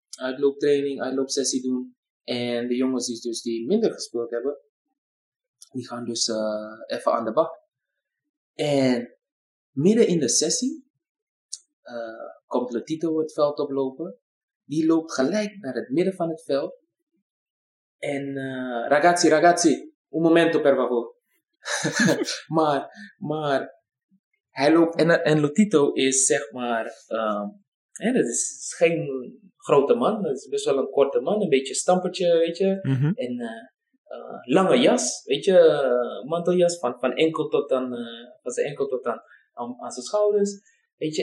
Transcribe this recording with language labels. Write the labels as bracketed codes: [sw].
[nl] Uitlooptraining, uitloopsessie doen. En de jongens die minder gespeeld hebben, die gaan dus even aan de bak. En midden in de sessie komt Letito het veld oplopen. Die loopt gelijk naar het midden van het veld. En [it] ragazzi, un momento per favore. [nl] maar hij loopt en Lotito is zeg maar, dat is geen grote man, dat is best wel een korte man, een beetje stampertje, weet je. Mm-hmm. En lange jas, weet je, manteljas van zijn enkel tot aan zijn schouders, weet je.